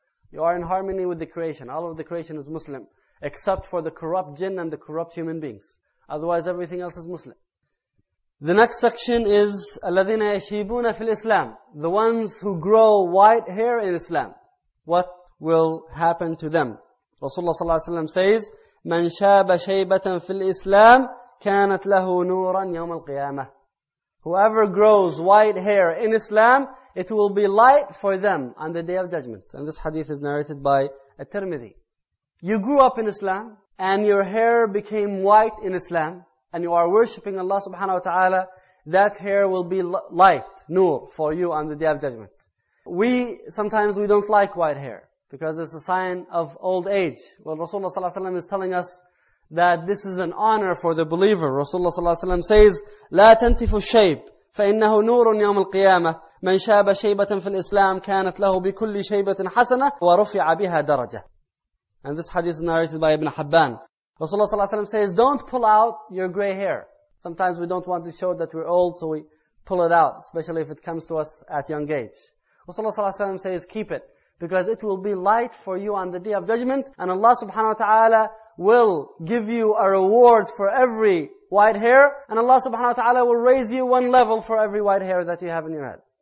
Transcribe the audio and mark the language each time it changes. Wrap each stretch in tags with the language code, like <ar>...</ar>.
<en>You are in harmony with the creation. All of the creation is Muslim, except for the corrupt jinn and the corrupt human beings. Otherwise, everything else is Muslim. The next section is</en> <ar>الَّذِينَ يَشِيبُونَ فِي الْإِسْلَامِ,</ar> <en>the ones who grow white hair in Islam. What will happen to them? Rasulullah صلى الله عليه وسلم says,</en> <ar>مَنْ شَابَ شَيْبَةً فِي الْإِسْلَامِ كانت له نورا يوم القيامة.</ar> <en>Whoever grows white hair in Islam, it will be light for them on the day of judgment. And this hadith is narrated by At-Tirmidhi. You grew up in Islam and your hair became white in Islam and you are worshipping Allah subhanahu wa ta'ala, that hair will be light, nur, for you on the day of judgment. Sometimes we don't like white hair because it's a sign of old age. Well, Rasulullah sallallahu alayhi wa sallam is telling us that this is an honor for the believer. Rasulullah sallallahu alayhi wa sallam says,</en> <ar>لَا تَنْتِفُ الشَّيْبِ فَإِنَّهُ نُورٌ يَوْمَ الْقِيَامَةِ مَنْ شَابَ شَيْبَةً فِي الْإِسْلَامِ كَانَتْ لَهُ بِكُلِّ شَيْبَةٍ حَسَنَةٍ وَرُفِعَ بِهَا دَرَجَةٍ.</ar> <en>And this hadith is narrated by Ibn Hibban. Rasulullah sallallahu alayhi wa sallam says, don't pull out your gray hair. Sometimes we don't want to show that we're old, so we pull it out, especially if it comes to us at young age. Rasulullah sallallahu alayhi wa sallam says, keep it, because it will be light for you on the day of judgment, and Allah subhanahu wa ta'ala will give you a reward for every white hair, and Allah subhanahu wa ta'ala will raise you one level for every white hair that you have in your head.</en>